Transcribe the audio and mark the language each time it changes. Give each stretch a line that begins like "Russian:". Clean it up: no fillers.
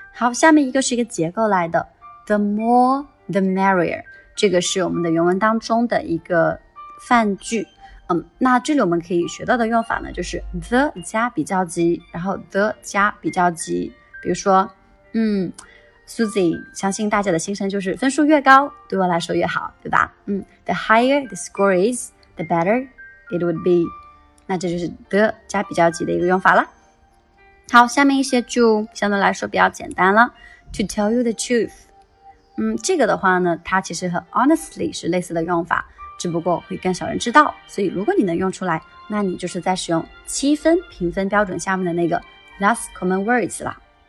Chinese: 好，下面一个是一个结构来的，
English: the more the merrier，
Chinese: 这个是我们的原文当中的一个范句。那这里我们可以学到的用法呢，就是 the 加比较级，然后 the 加比较级。比如说Susie， 相信大家的心声就是分数越高对我来说越好，对吧？
English: The higher the score is, the better it would be。
Chinese: 那这就是 the 加比较级的一个用法了。好，下面一些就相对来说比较简单了。
English: To tell you the truth，
Chinese: 这个的话呢它其实和 honestly 是类似的用法，只不过会更少人知道，所以如果你能用出来，那你就是在使用七分评分标准下面的那个
English: less common words
Chinese: 啦。